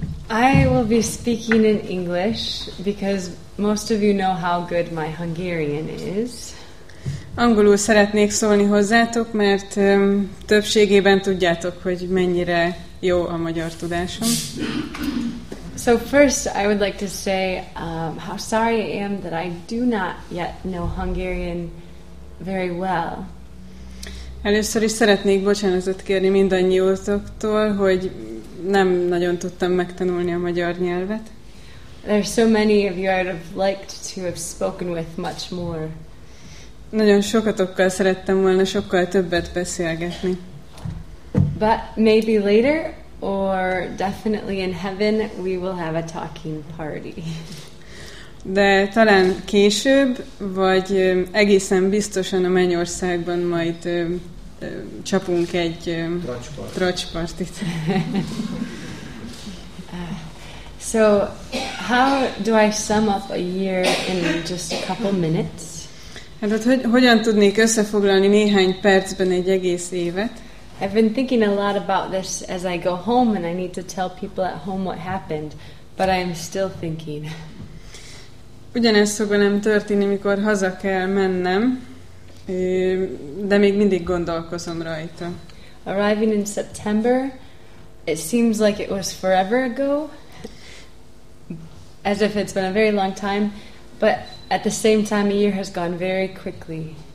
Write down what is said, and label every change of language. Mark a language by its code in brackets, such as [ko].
[en] I will be speaking in English because most of you know how good my Hungarian is. [hu] Angolul szeretnék szólni hozzátok, mert többségében tudjátok, hogy mennyire jó a magyar tudásom. [en] So first I would like to say how sorry I am that I do not yet know Hungarian very well. [hu] Először is szeretnék bocsánatot kérni mindannyiótoktól, hogy nem nagyon tudtam megtanulni a magyar nyelvet. [en] There are so many of you I would have liked to have spoken with much more. [hu] Nagyon sokatokkal szerettem volna sokkal többet beszélgetni. [en] But maybe later or definitely in heaven we will have a talking party. [hu] De talán később, vagy egészen biztosan a mennyországban majd csapunk egy tracspartit. [en] So, how do I sum up a year in just a couple minutes? [hu] Hát hogyan tudnék összefoglalni néhány percben egy egész évet? [en] I've been thinking a lot about this as I go home and I need to tell people at home what happened, but I am still thinking. [hu] Ugyanezt szokva nem történni, mikor haza kell mennem, de még mindig gondolkozom rajta. [en] Arriving in September, it seems like it was forever ago, as if it's been a very long time, but at the same time a year has gone very quickly.